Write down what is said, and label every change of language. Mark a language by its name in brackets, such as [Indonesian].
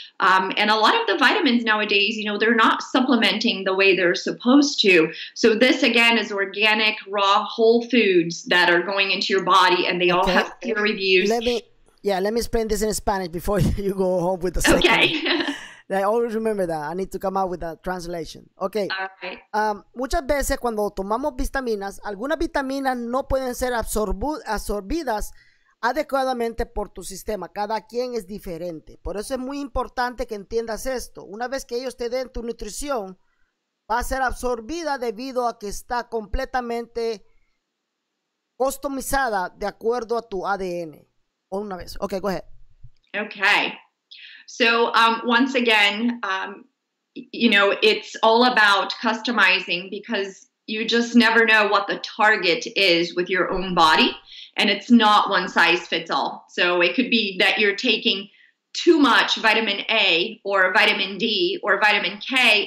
[English] And a lot of the vitamins nowadays, you know, they're not supplementing the way they're supposed to. So this, again, is organic, raw, whole foods that are going into your body, and they all have peer reviews. Let me explain this in Spanish before you go home with the second. Okay. I always remember that. I need to come out with a translation. Okay. [Spanish] Muchas veces cuando tomamos vitaminas, algunas vitaminas no pueden ser absorbidas adecuadamente por tu sistema. Cada quien es diferente. Por eso es muy importante que entiendas esto. Una vez que ellos te den tu nutrición, va a ser absorbida debido a que está completamente customizada de acuerdo a tu ADN. [English] Una vez. Okay, go ahead. Okay. So once again, you know, it's all about customizing because you just never know what the target is with your own body. And it's not one size fits all. So it could be that you're taking too much vitamin A or vitamin D or vitamin K.